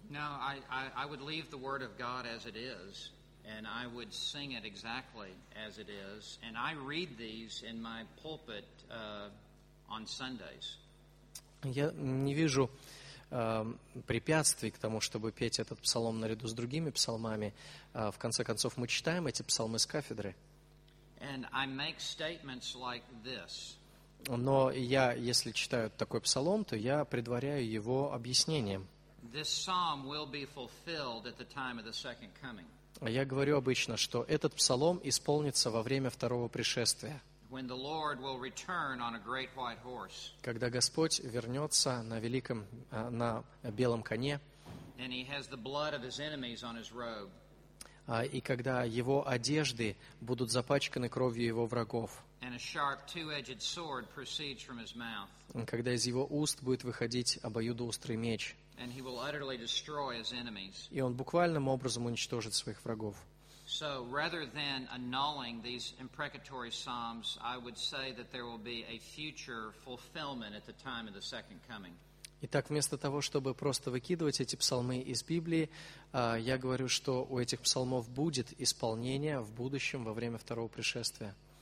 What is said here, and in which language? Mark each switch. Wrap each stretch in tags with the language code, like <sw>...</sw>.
<en>No, I would leave the word of God as it is. And I would sing it exactly as it is. And I read these in my pulpit on Sundays.</en> <ru>Я не вижу препятствий к тому, чтобы петь этот псалом наряду с другими псалмами. В конце концов, мы читаем эти псалмы с кафедры.</ru> <en>And I make statements like this.</en> <ru>Но я, если читаю такой псалом, то я предваряю его объяснением.</ru> <en>This psalm will be fulfilled at the time of the second coming.</en> <ru>Я говорю обычно, что этот псалом исполнится во время второго пришествия.</ru> <en>When the Lord will return on a great white horse.</en> <ru>Когда Господь вернется на великом, на белом коне.</ru> <en>And he has the blood of his enemies on his robe.</en> <ru>И когда его одежды будут запачканы кровью его врагов.</ru> <en>And a sharp two-edged sword proceeds from his mouth.</en> <ru>Когда из его уст будет выходить обоюдоострый меч.</ru> <en>And he will utterly destroy his enemies.</en> <ru>И он буквальным образом уничтожит своих врагов.</ru> <en>So rather than annulling these imprecatory psalms, I would say that there will be a future fulfillment at the time of the second coming.</en> <ru>Итак, вместо того, чтобы просто выкидывать эти псалмы из Библии, я говорю, что у этих псалмов будет исполнение в будущем во время второго пришествия.</ru>